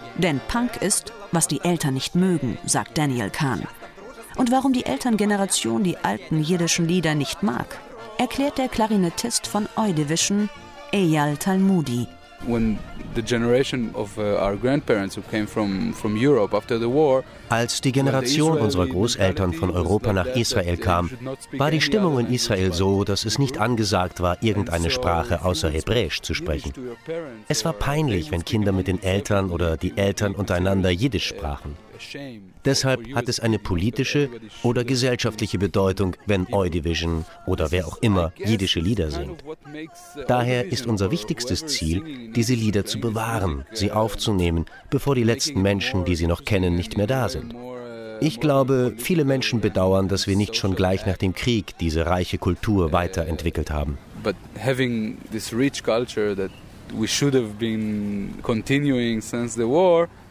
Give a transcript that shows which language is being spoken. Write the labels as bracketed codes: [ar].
[de] Denn Punk ist, was die Eltern nicht mögen, sagt Daniel Kahn. Und warum die Elterngeneration die alten jiddischen Lieder nicht mag, erklärt der Klarinettist von Oi Division, Eyal Talmudi. [en] When the generation of our grandparents who came from Europe after the war, [de] als die Generation unserer Großeltern von Europa nach Israel kam, war die Stimmung in Israel so, dass es nicht angesagt war, irgendeine Sprache außer Hebräisch zu sprechen. Es war peinlich, wenn Kinder mit den Eltern oder die Eltern untereinander Jiddisch sprachen. Deshalb hat es eine politische oder gesellschaftliche Bedeutung, wenn Oi Division oder wer auch immer jiddische Lieder singt. Daher ist unser wichtigstes Ziel, diese Lieder zu bewahren, sie aufzunehmen, bevor die letzten Menschen, die sie noch kennen, nicht mehr da sind. Ich glaube, viele Menschen bedauern, dass wir nicht schon gleich nach dem Krieg diese reiche Kultur weiterentwickelt haben. [en] But having this rich culture that we should have been continuing since the war.